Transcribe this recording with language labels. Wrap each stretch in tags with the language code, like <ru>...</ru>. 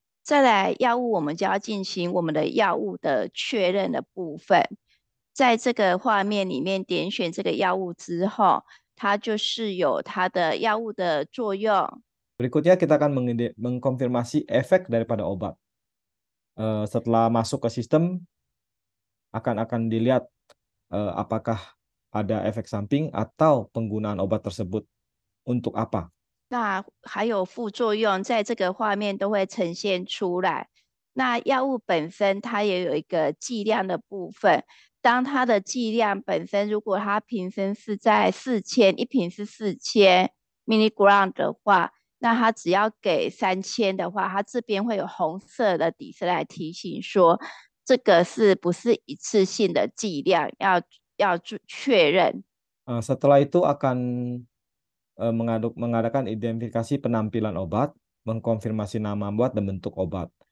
<zh>再来，药物我们就要进行我们的药物的确认的部分。在这个画面里面点选这个药物之后，它就是有它的药物的作用。</zh> <id>Berikutnya kita akan mengkonfirmasi efek daripada obat. Setelah masuk ke sistem, akan dilihat apakah ada efek samping atau penggunaan obat tersebut untuk apa.</id> <zh>那还有副作用，在这个画面都会呈现出来。那药物本身它也有一个剂量的部分。当它的剂量本身，如果它瓶身是在4000，一瓶是4000 milligram 的话，那它只要给3000的话，它这边会有红色的底色来提醒说，这个是不是一次性的剂量，要确认。</zh> <id>Setelah itu akan mengadakan identifikasi penampilan obat, mengkonfirmasi nama obat dan bentuk obat.</id>